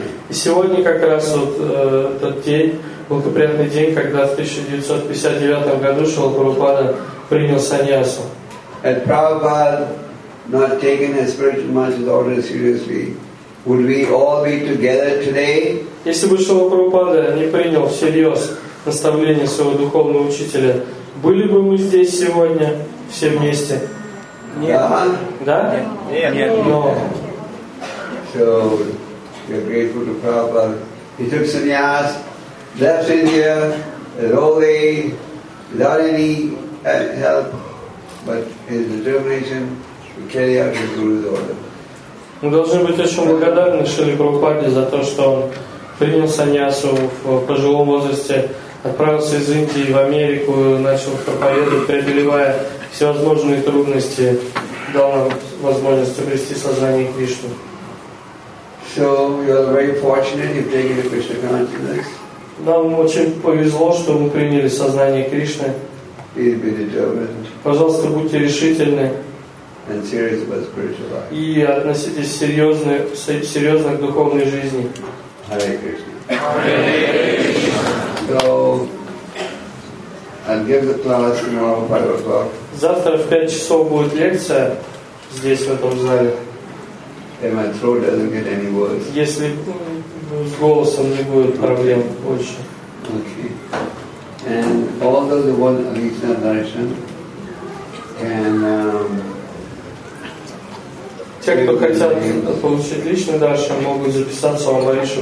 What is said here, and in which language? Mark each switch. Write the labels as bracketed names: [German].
[Russian] И сегодня как раз вот тот день, благоприятный день, когда в 1959 году Шрила Прабхупада принял саньясу. [English] Had Prabhupada not taken his spiritual master's order seriously, would we all be together today? [Russian] Если бы Шрила Прабхупада не принял всерьез наставление своего духовного учителя, были бы мы здесь сегодня все вместе? Нет. Да? Нет. Но... [English] So we are grateful to Prabhupada. He took sannyas, left India at old age, without any help, but his determination to carry out his guru's order. [Russian] Мы должны быть очень благодарны Шриле Прабхупаде за то, что он принял саньясу в пожилом возрасте, отправился из Индии в Америку, начал проповедовать, преодолевая всевозможные трудности, дал нам возможность обрести сознание Кришны. [English] So we are very fortunate you've taken the Krishna consciousness. [Russian] Нам очень повезло, что мы приняли сознание Кришны. [English] Please be determined. [Russian] Пожалуйста, будьте решительны. [English] And serious about spiritual life. [Russian] И относитесь серьезно к духовной жизни. [English] Hare Krishna. Hare Krishna. So I'll give the class tomorrow 5 o'clock. [Russian] Завтра в 5 часов будет лекция здесь, в этом зале. [English] And my throat doesn't get any worse. [Russian] Если с голосом не будет проблем больше. [English] Okay. And all those who want Alisa Darshan can [Russian] те, кто хотят получить личный Даршан, могут записаться в Алишу